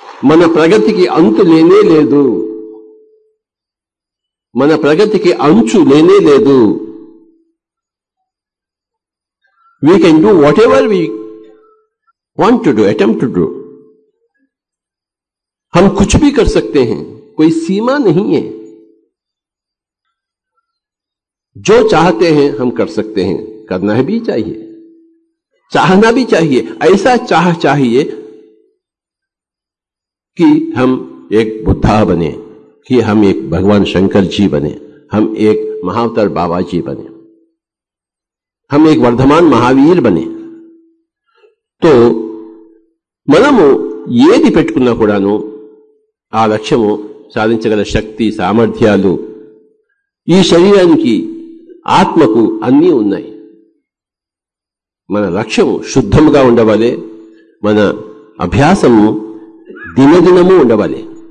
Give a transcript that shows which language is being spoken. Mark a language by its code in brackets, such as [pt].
[te] మన ప్రగతికి అంతు లేనే లేదు, మన ప్రగతికి అంచు లేనే లేదు. [en] We can do whatever we want to do, attempt to do. [hi] हम कुछ भी कर सकते हैं, कोई सीमा नहीं है, जो चाहते हैं हम कर सकते हैं, करना है भी चाहिए, चाहना भी चाहिए, ऐसा चाह चाहिए कि हम एक बुद्धा बने, कि हम एक भगवान शंकर जी बने, हम एक महावतार बाबा जी बने, हम एक वर्धमान महावीर बने. [te] तो మనము ఏది పెట్టుకున్నా కూడాను ఆ లక్ష్యము సాధించగల శక్తి సామర్థ్యాలు ఈ శరీరానికి ఆత్మకు అన్నీ ఉన్నాయి. మన లక్ష్యము శుద్ధముగా ఉండవాలి, మన అభ్యాసము దినదినము ఉండవాలి.